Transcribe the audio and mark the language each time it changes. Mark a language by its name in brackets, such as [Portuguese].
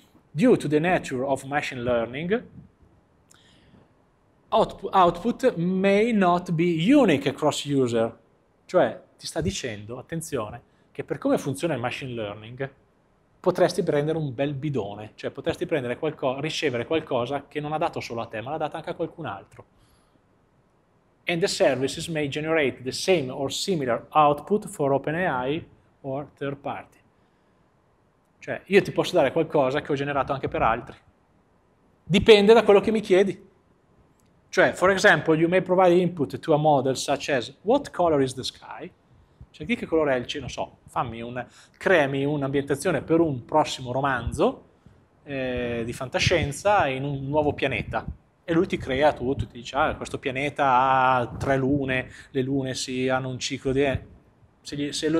[English] Due to the nature of machine learning, output may not be unique across user. [Italian] Cioè, ti sta dicendo, attenzione, che per come funziona il machine learning, potresti prendere un bel bidone, cioè potresti prendere ricevere qualcosa che non ha dato solo a te, ma l'ha data anche a qualcun altro. [English] And the services may generate the same or similar output for OpenAI or third party. [Italian] Cioè, io ti posso dare qualcosa che ho generato anche per altri. Dipende da quello che mi chiedi. [English] Cioè, for example, you may provide input to a model such as what color is the sky? [Italian] Cioè, di che colore è il cielo? Non so, creami un'ambientazione per un prossimo romanzo di fantascienza in un nuovo pianeta. E lui ti crea tutto, ti dice, ah, questo pianeta ha tre lune, le lune si hanno un ciclo di...